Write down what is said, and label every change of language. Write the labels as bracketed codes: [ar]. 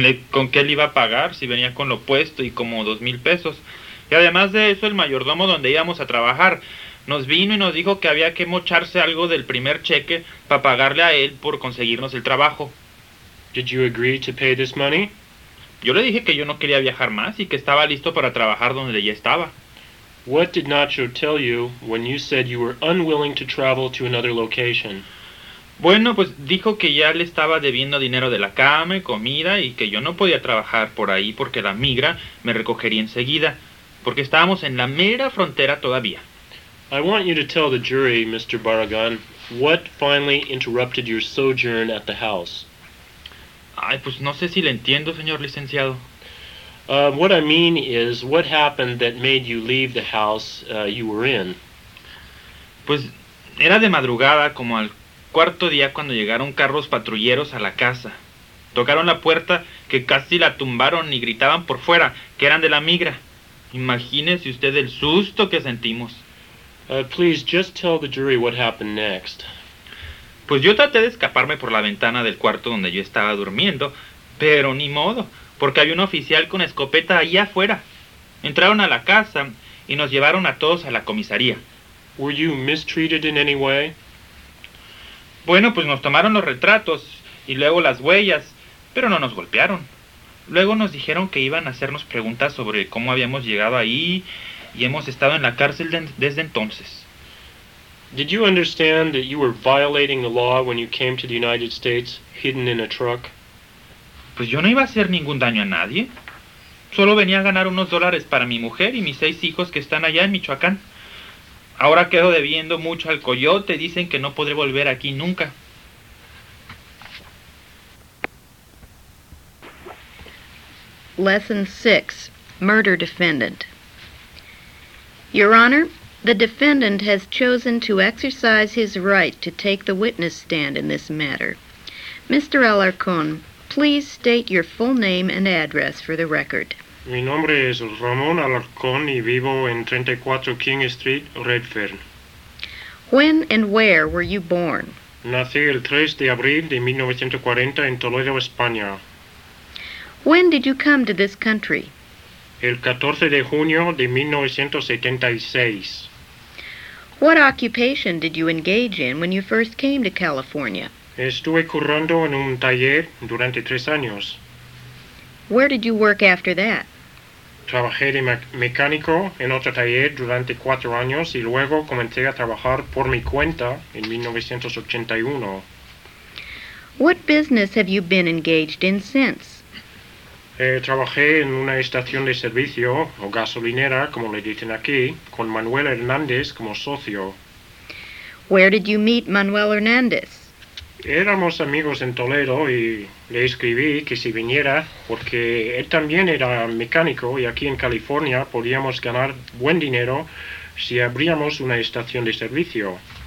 [es] ¿Con qué le iba a pagar si venía con lo puesto y como 2,000 pesos? Y además de eso, el mayordomo donde íbamos a trabajar nos vino y nos dijo que había que mocharse algo del primer cheque para pagarle a él por conseguirnos el trabajo. [en] Did you agree to pay this money? [es] Yo le dije que yo no quería viajar más y que estaba listo para trabajar donde ya estaba. [en] What did Nacho tell you when you said you were unwilling to travel to another location? [es] Bueno, pues dijo que ya le estaba debiendo dinero de la cama y comida y que yo no podía trabajar por ahí porque la migra me recogería enseguida, porque estábamos en la mera frontera todavía. [en] I want you to tell the jury, Mr. Barragán, what finally interrupted your sojourn at the house. [es] Ay, pues no sé si le entiendo, señor licenciado. [en] What I mean is, what happened that made you leave the house you were in? [es] Pues era de madrugada, como al cuarto día, cuando llegaron carros patrulleros a la casa. Tocaron la puerta, que casi la tumbaron y gritaban por fuera, que eran de la migra. Imagínese usted el susto que sentimos. [en] Please, just tell the jury what happened next. [es] Pues yo traté de escaparme por la ventana del cuarto donde yo estaba durmiendo, pero ni modo, porque había un oficial con escopeta ahí afuera. Entraron a la casa y nos llevaron a todos a la comisaría. [en] Were you mistreated in any way? [es] Bueno, pues nos tomaron los retratos y luego las huellas, pero no nos golpearon. Luego nos dijeron que iban a hacernos preguntas sobre cómo habíamos llegado ahí y hemos estado en la cárcel desde entonces. [en] Did you understand that you were violating the law when you came to the United States hidden in a truck? [es] Pues yo no iba a hacer ningún daño a nadie. Solo venía a ganar unos dólares para mi mujer y mis 6 hijos que están allá en Michoacán. Ahora quedo debiendo mucho al coyote. Dicen que no podré volver aquí nunca. [en] Lesson 6. Murder defendant. Your Honor, the defendant has chosen to exercise his right to take the witness stand in this matter. Mr. Alarcón, please state your full name and address for the record. [es] Mi nombre es Ramón Alarcón y vivo en 34 King Street, Redfern. [en] When and where were you born? [es] Nací el 3 de abril de 1940 en Toledo, España. [en] When did you come to this country? [es] El 14 de junio de 1976. [en] What occupation did you engage in when you first came to California? [es] Estuve currando en un taller durante 3 años. [en] Where did you work after that? [es] Trabajé de mecánico en otro taller durante 4 años y luego comencé a trabajar por mi cuenta en 1981. [en] What business have you been engaged in since? [es] Trabajé en una estación de servicio, o gasolinera, como le dicen aquí, con Manuel Hernández como socio. [en] Where did you meet Manuel Hernández? [es] Éramos amigos en Toledo y le escribí que si viniera, porque él también era mecánico y aquí en California podíamos ganar buen dinero si abríamos una estación de servicio.